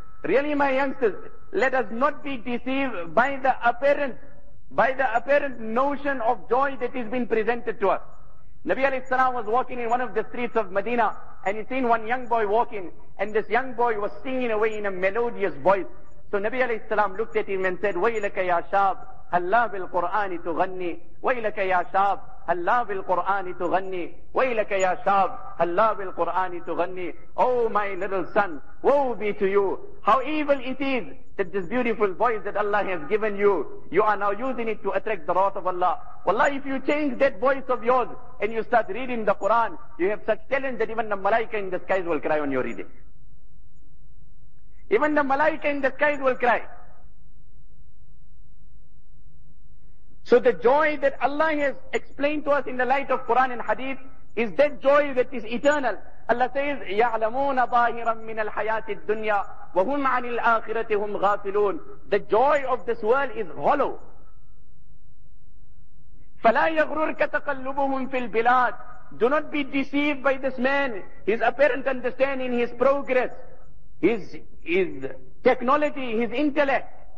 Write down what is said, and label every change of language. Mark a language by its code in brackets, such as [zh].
[en] Really, my youngsters, let us not be deceived by the apparent notion of joy that is being presented to us. Nabi alayhi salam was walking in one of the streets of Medina, and he seen one young boy walking, and this young boy was singing away in a melodious voice. So Nabi alayhi salam looked at him and said, [ar] وَيْلَكَ يَا شَابْ هَلَّا بِالْقُرْآنِ تُغَنِّي وَيْلَكَ يَا شَابْ هَلَّا بِالْقُرْآنِ تُغَنِّي وَيْلَكَ يَا شَابْ هَلَّا بِالْقُرْآنِ تُغَنِّي. [en] Oh my little son, woe be to you. How evil it is that this beautiful voice that Allah has given you, you are now using it to attract the wrath of Allah. Wallah, if you change that voice of yours and you start reading the Quran, you have such talent that even the malaika in the skies will cry on your reading. Even the malaika in the skies will cry. So the joy that Allah has explained to us in the light of Quran and Hadith is that joy that is eternal. Allah says, [ar] يَعْلَمُونَ ظَاهِرًا مِّنَ الْحَيَاةِ الدُّنْيَا وَهُمْ عَنِ الْآخِرَةِ هُمْ غَافِلُونَ. [en] The joy of this world is hollow. [ar] فَلَا يَغْرُرْكَ تَقَلُّبُهُمْ فِي الْبِلَادِ. [en] Do not be deceived by this man, his apparent understanding, his progress, his technology, his intellect.